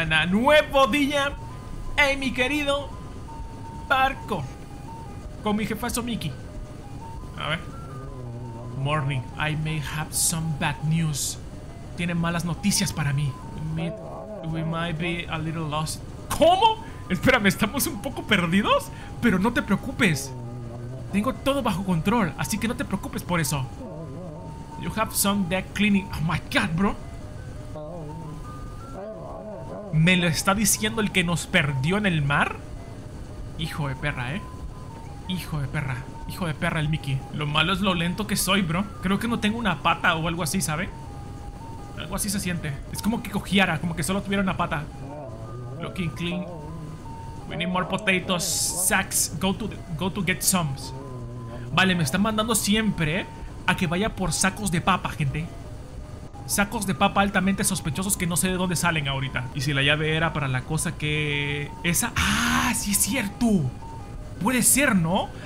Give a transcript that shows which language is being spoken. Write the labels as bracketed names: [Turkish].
[Spanish] Nuevo día en mi querido barco. Con mi jefazo Mickey. A ver. [English] Morning. I may have some bad news. [Spanish] Tiene malas noticias para mí. [English] We might be a little lost. [Spanish] ¿Cómo? Espérame, ¿estamos un poco perdidos? Pero no te preocupes. Tengo todo bajo control. Así que no te preocupes por eso. [English] You have some deck cleaning. Oh my god, bro. [Spanish] ¿Me lo está diciendo el que nos perdió en el mar? Hijo de perra, ¿eh? Hijo de perra. Hijo de perra el Mickey. Lo malo es lo lento que soy, bro. Creo que no tengo una pata o algo así, ¿sabe? Algo así se siente. Es como que cojeara, como que solo tuviera una pata. [English] Looking clean. We need more potatoes, sacks. Go to get some. [Spanish] Vale, me están mandando siempre a que vaya por sacos de papa, gente. Sacos de papa altamente sospechosos que no sé de dónde salen ahorita. Y si la llave era para la cosa que... Esa... ¡Ah! ¡Sí es cierto! Puede ser, ¿no?